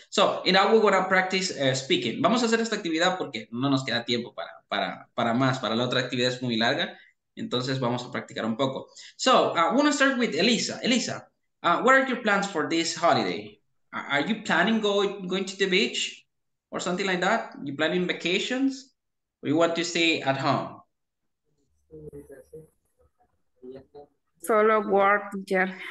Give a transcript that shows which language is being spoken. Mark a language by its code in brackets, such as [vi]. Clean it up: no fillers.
[en] So, and now we're going to practice speaking. [es] Vamos a hacer esta actividad porque no nos queda tiempo para más, para la otra actividad es muy larga, entonces vamos a practicar un poco. [en] So, I want to start with Elisa. Elisa, what are your plans for this holiday? Are you planning going to the beach or something like that? You planning vacations or you want to stay at home? Solo work, teacher.